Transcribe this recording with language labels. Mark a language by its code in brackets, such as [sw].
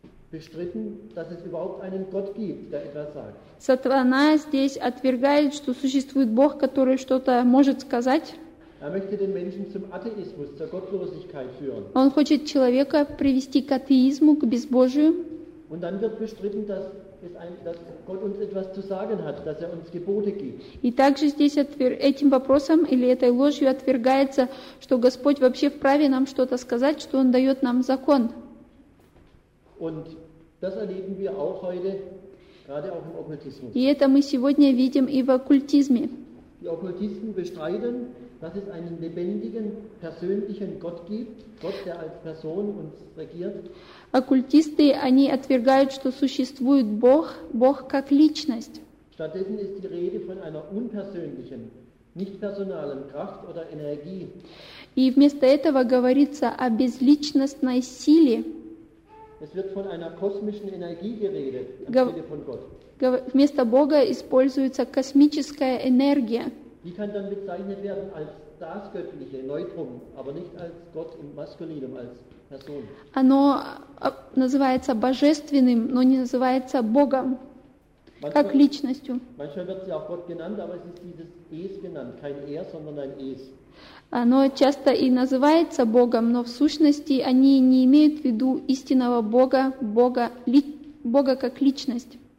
[de] Bestritten, dass es überhaupt einen Gott gibt, der etwas sagt. [ru] Сатана здесь отвергает, что существует Бог, который что-то может сказать. [de] Er möchte den Menschen zum Atheismus, zur Gottlosigkeit führen. [ru] Он хочет человека привести к атеизму, к безбожию. [de] Und dann wird bestritten, dass Gott uns etwas zu sagen hat, dass er uns Gebote gibt. [ru] И также здесь этим вопросом или этой ложью отвергается, что Господь вообще вправе нам что-то сказать, что Он дает нам закон. [de] Und das erleben wir auch heute, gerade auch im Okkultismus. [ru] И это мы сегодня видим и в оккультизме. [de] Die Okkultisten bestreiten, dass es einen lebendigen, persönlichen Gott gibt, Gott, der als Person uns regiert. [ru] Оккультисты, они отвергают, что существует Бог, Бог как личность. [de] Stattdessen ist die Rede von einer unpersönlichen, nicht personalen Kraft oder Energie. [ru] И вместо этого говорится о безличностной силе. [de] Es wird von einer kosmischen Energie geredet, von Gott. [ru] Вместо Бога используется космическая энергия. [de] Die kann dann bezeichnet werden als das göttliche Neutrum, aber nicht als Gott im Maskulinum, als Person. [ru] Оно называется божественным, но не называется Богом, как личностью. [de] Manchmal wird sie auch Gott genannt, aber es ist dieses Es genannt, kein Er, sondern ein Es. [ru] Оно часто и называется Богом, но в сущности они не имеют в виду истинного Бога, Бога как личность.